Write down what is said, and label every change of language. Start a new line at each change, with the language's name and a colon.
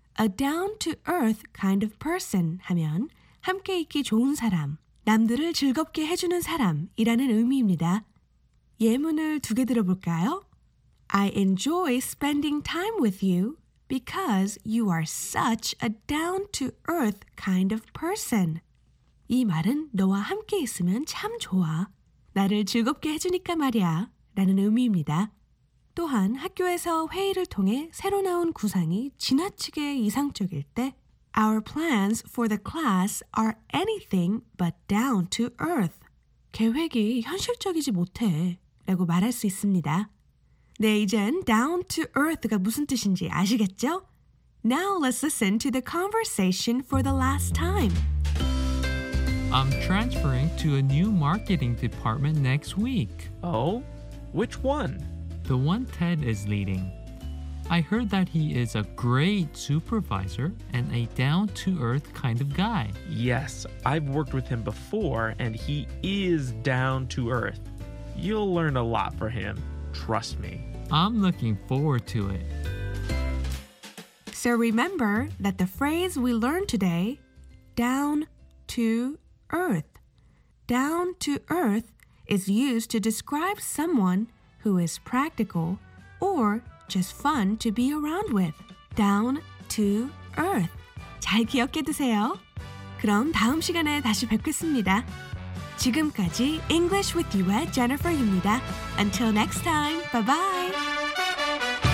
English: A down to earth kind of person
Korean: 하면 함께 있기 좋은 사람, 남들을 즐겁게 해주는 사람이라는 의미입니다. 예문을 두 개 들어볼까요?
English: I enjoy spending time with you. because you are such a down-to-earth kind of person.
Korean: 이 말은 너와 함께 있으면 참 좋아. 나를 즐겁게 해주니까 말이야. 라는 의미입니다. 또한 학교에서 회의를 통해 새로 나온 구상이 지나치게 이상적일 때
English: Our plans for the class are anything but down to earth.
Korean: 계획이 현실적이지 못해 라고 말할 수 있습니다. 네, 이젠 down to earth가 무슨 뜻인지 아시겠죠?
English: Now let's listen to the conversation for the last time. I'm transferring to a new marketing department next week. Oh? Which one? The one Ted is leading. I heard that he is a great supervisor and a down-to-earth kind of guy. Yes, I've worked with him before, and he is down-to-earth. You'll learn a lot from him. Trust me. I'm looking forward to it. So remember that the phrase we learned today, down-to-earth. Down-to-earth is used to describe someone who is practical or just fun to be around with.
Korean: Down to earth. 잘 기억해 두세요. 그럼 다음 시간에 다시 뵙겠습니다. 지금까지 English with you의 Jennifer입니다.
English: Until next time, bye-bye.